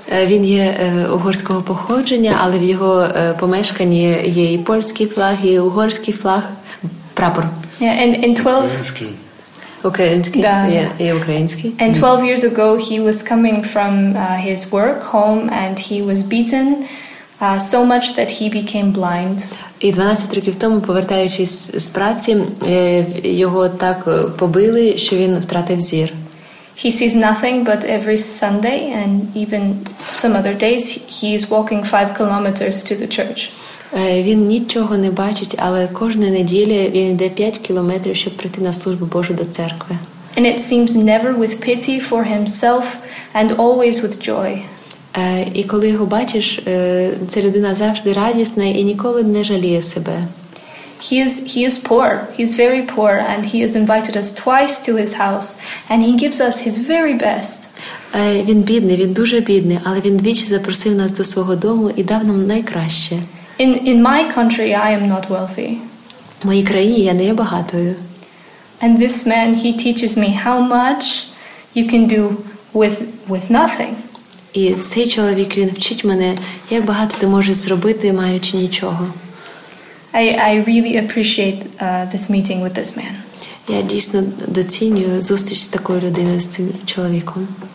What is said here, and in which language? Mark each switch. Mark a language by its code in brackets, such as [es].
[uk] Він є угорського походження, але в його помешканні є і польський флаг, і угорський флаг, прапор. [en] Yeah, and in 12... [uk] Український. Да, yeah, і український. [en] And 12 years ago, he was coming from his work home, and he was beaten so much that he became blind. [uk] І 12 років тому, повертаючись з праці, його так побили, що він втратив зір. [en] he sees nothing, but every Sunday and even some other days he is walking 5 kilometers to the church. [uk] Він нічого не бачить, але кожної неділі він йде 5 кілометрів, щоб прийти на службу Божу до церкви. [en] And it seems never with pity for himself and always with joy. [uk] І коли його бачиш, ця людина завжди радісна і ніколи не жаліє себе. [en] He is poor. He's very poor and he has invited us twice to his house and he gives us his very best. [uk] Він бідний, він дуже бідний, але він двічі запросив нас до свого дому і дав нам найкраще. [en] In my country I am not wealthy. [uk] В моїй країні я не є багатою. [en] And this man, he teaches me how much you can do with nothing. [uk] І цей чоловік, він вчить мене, як багато ти можеш зробити, маючи нічого. [en] I really appreciate this meeting with this man. [uk] Я дійсно доцінюю зустріч з такою людиною, з цим чоловіком.